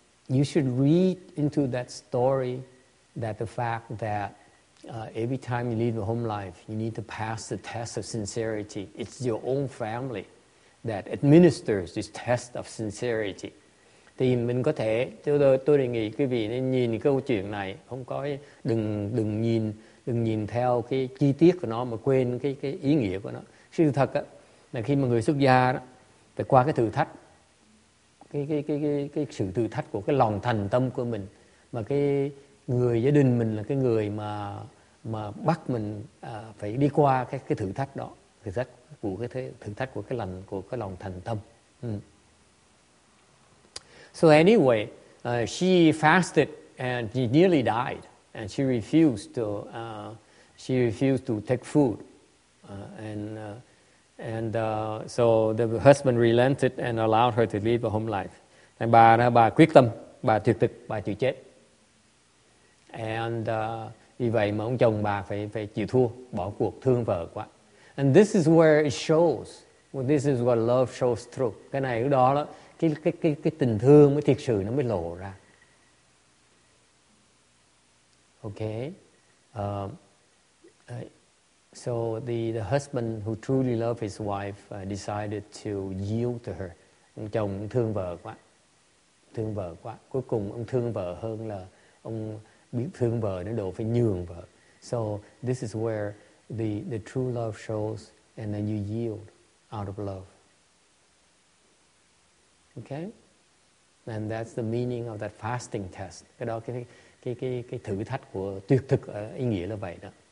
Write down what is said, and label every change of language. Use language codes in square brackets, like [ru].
[en] You should read into that story that the fact that every time you leave the home life, you need to pass the test of sincerity. It's your own family that administers this test of sincerity. [vi] Thì mình có thể, tôi đề nghị quý vị nên nhìn câu chuyện này, không có, đừng nhìn theo cái chi tiết của nó mà quên cái ý nghĩa của nó. Sự thật á, là khi mà người xuất gia đó, phải qua cái thử thách, cái sự thử thách của cái lòng thành tâm của mình, mà cái người gia đình mình là cái người mà bắt mình phải đi qua cái thử thách đó, thử thách của cái lòng thành tâm. [en] So anyway, she fasted and she nearly died, and she refused to take food, so the husband relented and allowed her to leave the home life. [vi] And bà quyết tâm, bà tuyệt thực, bà chịu chết. And vì vậy mà ông chồng bà phải chịu thua, bỏ cuộc, thương vợ quá. [en] And this is where it shows. Well, this is what love shows through. [vi] Cái này lúc đó đó, cái tình thương mới thiệt sự nó mới lộ ra. [en] Okay. So the husband who truly loved his wife decided to yield to her. [vi] Ông chồng thương vợ quá. Thương vợ quá. Cuối cùng ông thương vợ hơn là ông biết thương vợ đến độ phải nhường vợ. [en] So this is where the true love shows, and then you yield out of love. Okay? And that's the meaning of that fasting test. [vi] Cái đó cái thử thách của tuyệt thực ý nghĩa là vậy đó.